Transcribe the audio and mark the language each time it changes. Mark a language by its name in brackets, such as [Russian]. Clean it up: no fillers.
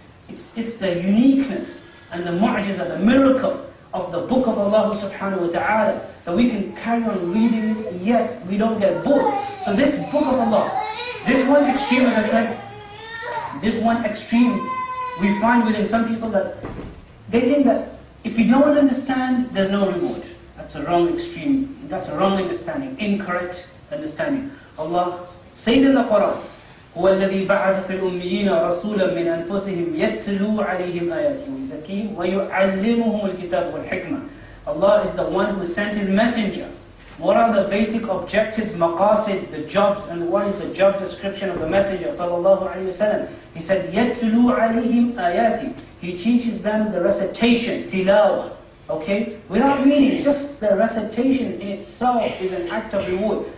[English] It's the uniqueness and the mu'jizah, the miracle of the book of Allah subhanahu wa ta'ala, that we can carry on reading it, yet we don't get bored. So this book of Allah, this one extreme, as I said, this one extreme we find within some people, that they think that if you don't understand, there's no reward. That's a wrong extreme. That's a wrong understanding, incorrect understanding. Allah says in the Quran, [Arabic] هو الذي بعث في الأميين رسولا من أنفسهم يتلو عليهم آياته ويزكيهم ويعلمهم الكتاب والحكمة. [English] Allah is the one who sent His messenger. What are the basic objectives, maqasid, the jobs, and what is the job description of the messenger, sallallahu alayhi wa sallam? He said, [Arabic] يَتْلُو عَلَيْهِمْ آيَاتِ. [English] He teaches them the recitation, tilawah. Okay? Without meaning, just the recitation in itself is an act of reward.